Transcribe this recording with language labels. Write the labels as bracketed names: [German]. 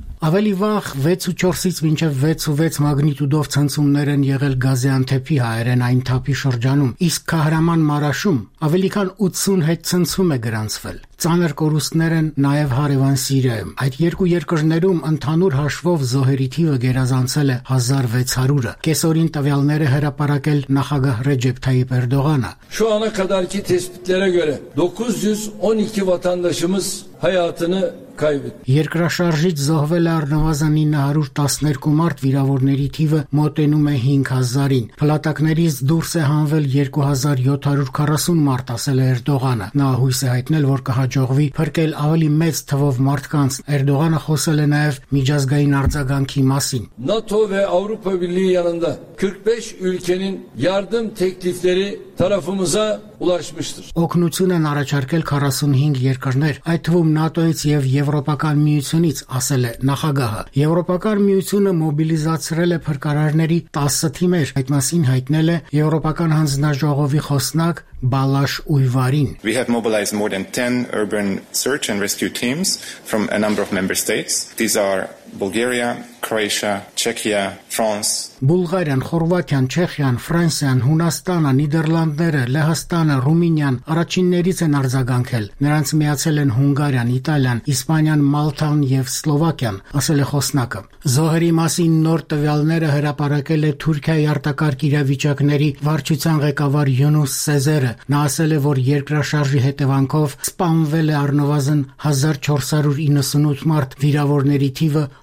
[Armenian] Ավելի վաղ 6.4-ից մինչև 6.6 մագնիտուդով ցնցումներ են եղել Գազիանթեփի հայերենային թափի շրջանում, իսկ Քահրաման Մարաշում ավելի քան 80 հետ ցնցում է գրանցվել։ Ծանր կորուստներ են նաև հարևան Սիրիայում։ Այդ երկու երկրներում ընդհանուր հաշվով զոհերի թիվը գերազանցել է 1600-ը։ Կեսօրին տվյալները հրապարակել նախագահ Ռեջեփ Թայիփ Էրդողանը։ [Turkish] Şu ana kadarki tespitlere göre 912 vatandaşımız hayatını kaybetti. [Armenian] Երկրաշարժից զոհվել է առնվազն 912 մարդ, վիրավորների թիվը մոտենում է 5000-ին։ Փլատակներից դուրս է հանվել 2740 մարդ, ասել է Էրդողանը։ Նա հույս է հայտնել, որ կհաջողվի փրկել ավելի մեծ թվով մարդկանց։ Էրդողանը խոսել է նաև միջազգային արձագանքի մասին։ [Turkish] NATO ve Avrupa Birliği yanında 45 ülkenin yardım teklifleri tarafımıza ulaşmıştır. [Armenian] Օգնություն են առաջարկել 45 երկրներ, այդ թվում ՆԱՏՕ-ից եւ Եվրոպական միությունից, ասել է նախագահը։ Եվրոպական միությունը մոբիլիզացրել է փրկարարների 10 թիմեր, այդ մասին հայտնել է Եվրոպական հանձնաժողովի խոսնակ Բալաշ Ույվարին։ [English] We have mobilized more than 10 urban search and rescue teams from a number of member states. These are Bulgaria, Croatia, Czechia, France. [Armenian] Բուլղարիան, Խորվաթիան, Չեխիան, Ֆրանսիան, Հունաստանը, Նիդերլանդները, Լեհաստանը, Ռումինիան առաջիններից են արձագանքել։ Նրանց միացել են Հունգարիան, Իտալիան, Իսպանիան, Մալթան եւ Սլովակիան, ասել է խոսնակը։ Զոհերի մասին նոր տվյալները հրապարակել է Թուրքիայի արտակարգ իրավիճակների վարչության ղեկավար Յունուս Սեզերը։ Նա ասել է, որ երկրաշարժի հետևանքով սպանվել է առնվազն 1498 մարդ, վիրավորների թիվը